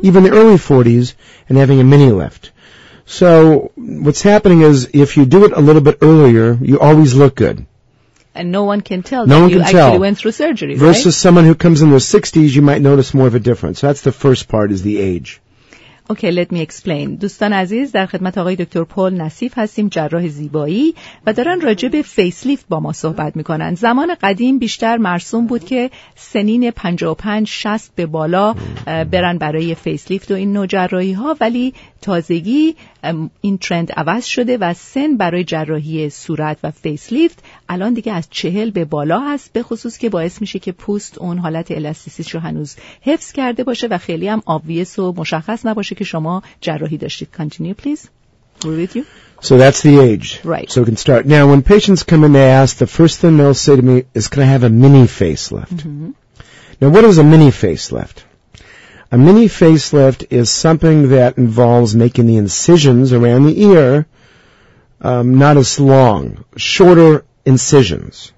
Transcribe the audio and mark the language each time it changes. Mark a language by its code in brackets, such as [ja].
[en] even the early 40s, and having a mini left. So what's happening is if you do it a little bit earlier, you always look good. And no one can tell that you actually went through surgery, versus right? someone who comes in their 60s, you might notice more of a difference. So that's the first part is the age. Okay let me explain. [fa] دوستان عزیز در خدمت آقای دکتر پل نصیف هستیم، جراح زیبایی، و دارن راجع به فیس لیفت با ما صحبت میکنن. زمان قدیم بیشتر مرسوم بود که سنین 55-60 به بالا برن برای فیس لیفت و این نوع جراحی ها، ولی تازگی این ترند عوض شده و سن برای جراحی صورت و فیس لیفت الان دیگه از 40 به بالا هست، به خصوص که باعث میشه که پوست اون حالت الاستیسیتی رو هنوز حفظ کرده باشه و خیلی هم obvious و مشخص نباشه که شما جراحی داشتید. [en] Continue please. We're with you. So that's the age. Right. So we can start. Now when patients come in, they ask, the first thing they'll say to me is, can I have a mini facelift? Mm-hmm. Now what is a mini facelift? A mini facelift is something that involves making the incisions around the ear not as long, shorter incisions.